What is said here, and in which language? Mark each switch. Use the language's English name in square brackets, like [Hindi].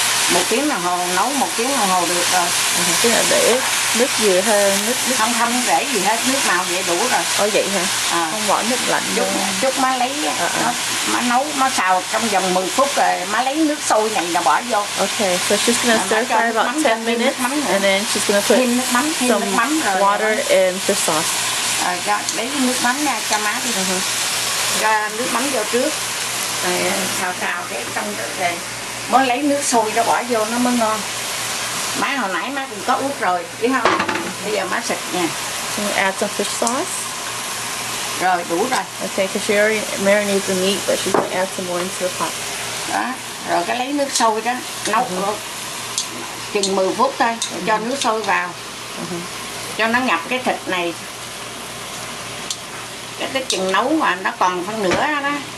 [Vietnamese] Một tiếng đồng hồ, nấu một tiếng đồng hồ được rồi. Chứ là để nước gì hơn, nước... Không để gì hết, nước nào vậy đủ rồi. Ồ vậy hả? Không bỏ nước lạnh vô. Chút má lấy, má nấu, má xào trong vòng 10 phút rồi, má lấy nước sôi này rồi bỏ vô. [English] Okay, so she's gonna stir fry about 10 minutes, and then she's gonna put [Vietnamese] thêm [English] some water and fish sauce. [Vietnamese] Lấy nước mắm ra cho má đi. Cho nước mắm vô trước. Xào xào cái trong đó về. Má lấy nước sôi ra bỏ vô nó mới ngon. Má hồi nãy má cũng có ướp rồi, biết không? Bây giờ má xịt nha. [English] So add some fish sauce. [Vietnamese] Rồi, đủ rồi. [English] Okay, because she already marinated the meat, but she's going to add some more into the pot. [Vietnamese] Đó, rồi cái lấy nước sôi đó, nấu chừng 10 phút thôi, cho nước sôi vào. Cho nó ngập cái thịt này. Cái chừng nấu mà nó còn phân nửa đó.